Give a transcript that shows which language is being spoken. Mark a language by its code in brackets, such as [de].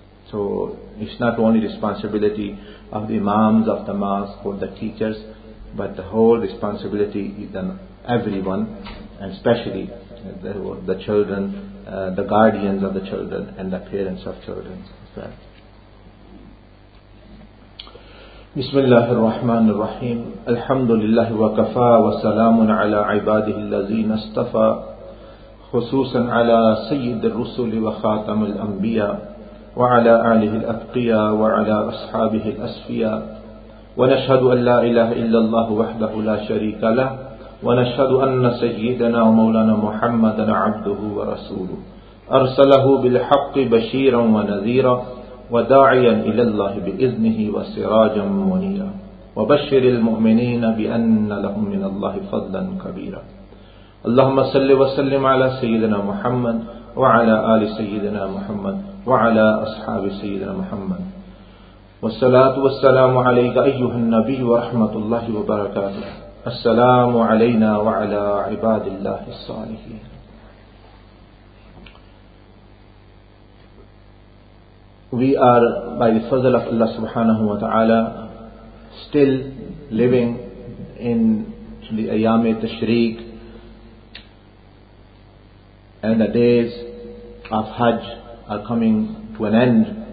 [en] So it's not only responsibility of the imams of the mosque or the teachers, but the whole responsibility is on everyone, and especially the children, the guardians of the children, and the parents of children as well. [ar] بسم الله الرحمن الرحيم الحمد لله وكفى وسلام على عباده الذين اصطفى خصوصا على سيد الرسل وخاتم الأنبياء وعلى آله الأتقياء وعلى أصحابه الأصفياء ونشهد أن لا إله إلا الله وحده لا شريك له ونشهد أن سيدنا ومولانا محمدا عبده ورسوله أرسله بالحق بشيرا ونذيرا وداعيا إلى الله بإذنه وسراجا منيرا وبشر المؤمنين بأن لهم من الله فضلا كبيرا اللهم صل وسلم على سيدنا محمد وعلى آل سيدنا محمد وعلى أصحاب سيدنا محمد والصلاة والسلام عليك أيها النبي ورحمة الله وبركاته السلام علينا وعلى عباد الله الصالحين. [en] We are, by the fadl of Allah [ar] subhanahu wa ta'ala, [en] still living in the Ayyam-e Tashreeq and the days of Hajj are coming to an end.